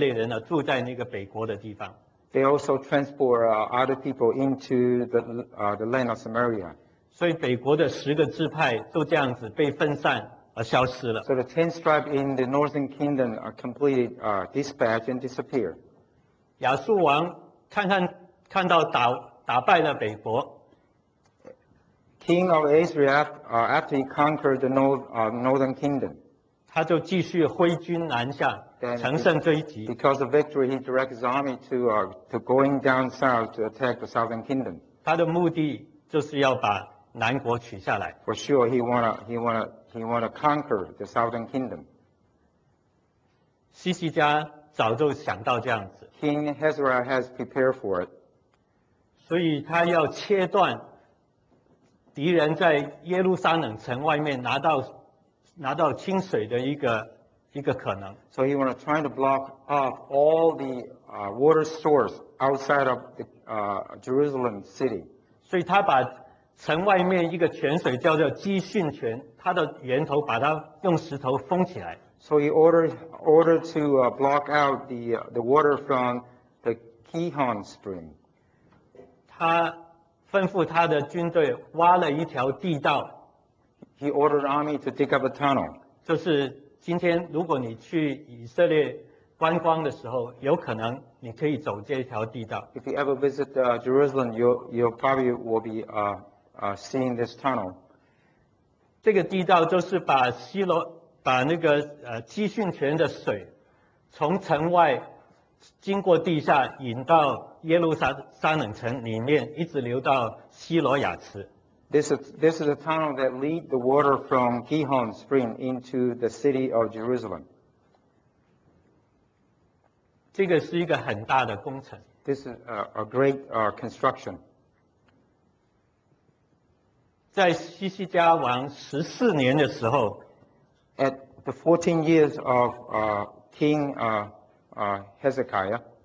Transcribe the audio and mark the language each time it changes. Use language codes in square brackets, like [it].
[zh] 然后他也从外地引进来一大批不是犹太人、不是以色列人住在那个北国的地方。 [en] They also transport other people into the land of Samaria. [zh] 所以北国的十个支派就这样子被分散,消失了。 [en] So the 10 tribes in the northern kingdom are completely dispatched and disappeared. [zh] 亚述王看到打败了北国。 [en] King of Israel, after he conquered the northern kingdom, [zh] 他就继续挥军南下，乘胜追击。 [en] Because of victory, he directs his army to going down south to attack the southern kingdom. [zh] 他的目的就是要把南国取下来。 [en] For sure, he wanna conquer the southern kingdom. [zh] 西西家早就想到这样子。 [en] King Hezekiah has prepared for it. [zh] 所以他要切断敌人在耶路撒冷城外面拿到清水的一个可能。 [en] So he wanna try to block off all the water source outside of the Jerusalem city. [zh] 所以他把城外面一个泉水叫做基逊泉，它的源头把它用石头封起来。 [en] So he ordered to block out the water from the Kihon stream. [zh] 他吩咐他的军队挖了一条地道。 [en] He ordered army to dig up a tunnel. [zh] 就是今天如果你去以色列观光的时候，有可能你可以走这条地道。 [en] If you ever visit Jerusalem, you probably will be seeing this tunnel. [zh] 这个地道就是把基逊泉的水从城外经过地下引到耶路撒冷城里面，一直流到希罗亚池。 [en] This is a tunnel that leads the water from Gihon Spring into the city of Jerusalem. [zh] 这个是一个很大的工程。 [en] This is a great construction. [zh] 在西西家王十四年的时候 [en] ，at the 14 years of King Hezekiah.